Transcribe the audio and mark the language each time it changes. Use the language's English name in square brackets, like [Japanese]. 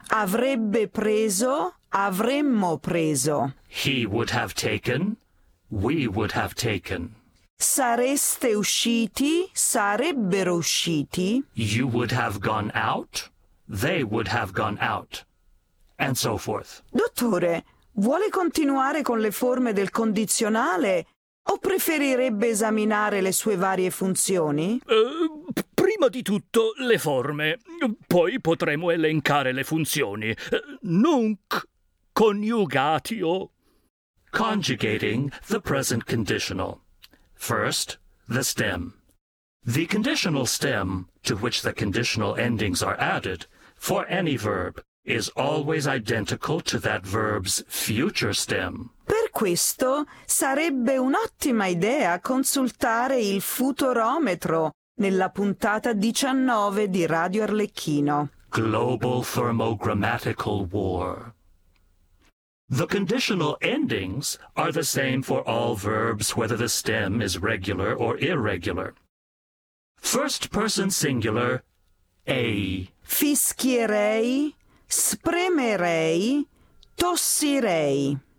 [Italian] Avrebbe preso, avremmo preso. [English] He would have taken, we would have taken. [Italian] Sareste usciti, sarebbero usciti. [English] You would have gone out, they would have gone out. And so forth. [Italian] Dottore, vuole continuare con le forme del condizionale? O preferirebbe esaminare le sue varie funzioni? Prima di tutto le forme, poi potremo elencare le funzioni. [Latin] Nunc coniugatio. [English] Conjugating the present conditional. First, the stem. The conditional stem, to which the conditional endings are added, for any verb, is always identical to that verb's future stem. [Italian] Per questo sarebbe un'ottima idea consultare il futurometro nella puntata 19 di Radio Arlecchino. [English] Global thermogrammatical war. The conditional endings are the same for all verbs, whether the stem is regular or irregular. First person singular, a. [Italian] Fischierei, spremerei, tossirei.